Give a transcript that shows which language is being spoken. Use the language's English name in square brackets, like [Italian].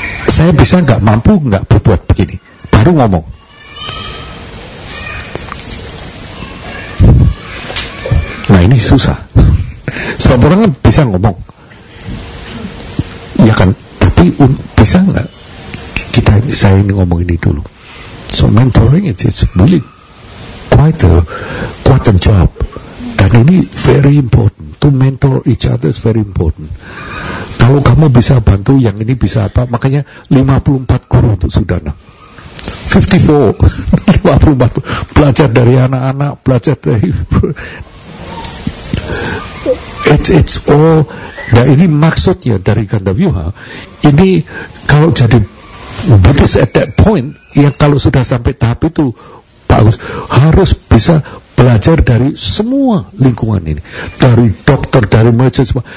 [Indonesian] Saya bisa enggak, mampu enggak berbuat begini, baru ngomong. Nah ini susah. Sebab orang kan bisa ngomong, ya kan. Tapi bisa nggak kita, saya ini ngomong ini dulu. [English] So mentoring it's really quite a job. [Indonesian] Dan ini [English] very important. To mentor each other is very important. [Indonesian] Kalau kamu bisa bantu, yang ini bisa apa? Makanya 54 guru untuk Sudana. 54 belajar dari anak-anak, belajar dari [English] it's all. [Indonesian] Nah ini maksudnya dari Gandavyuha. Ini kalau jadi Buddhist [English] at that point, [Indonesian] yang kalau sudah sampai tahap itu bagus, harus bisa belajar dari semua lingkungan ini, dari dokter, dari merchant semua.